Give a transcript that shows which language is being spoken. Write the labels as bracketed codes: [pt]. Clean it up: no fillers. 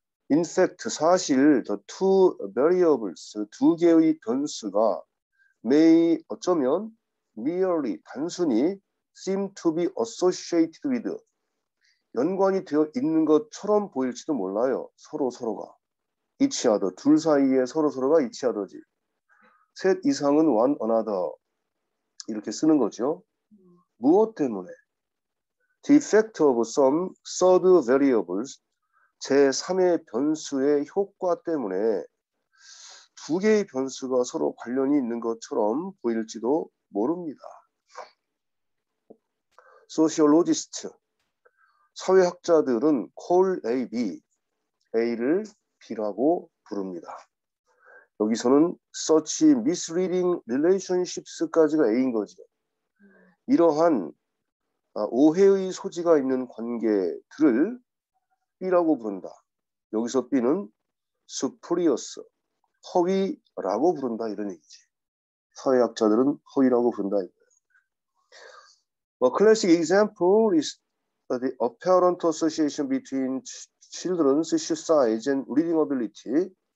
[en] In fact, [ko] 사실, [en] the two variables, [ko] 두 개의 변수가 [en] may, [ko] 어쩌면, [en] merely, [ko] 단순히, [en] seem to be associated with, [ko] 연관이 되어 있는 것처럼 보일지도 몰라요. 서로서로가. [en] each other, [ko] 둘 사이에 서로서로가 [en] each other지. set [ko] 이상은 [en] one another. [ko] 이렇게 쓰는 거죠. 무엇 때문에? [en] The effect of some third variables, [ko] 제3의 변수의 효과 때문에 두 개의 변수가 서로 관련이 있는 것처럼 보일지도 모릅니다. Sociologist, 사회학자들은 [en] call A, B, [ko] A를 B라고 부릅니다. 여기서는 [en] such misleading relationships [ko] 까지가 A인 거죠. 이러한 오해의 소지가 있는 관계들을 B라고 부른다. 여기서 B는 spurious, 허위라고 부른다. 이런 얘기지. 사회학자들은 허위라고 부른다. [en] A classic example is the apparent association between children's shoe size and reading ability.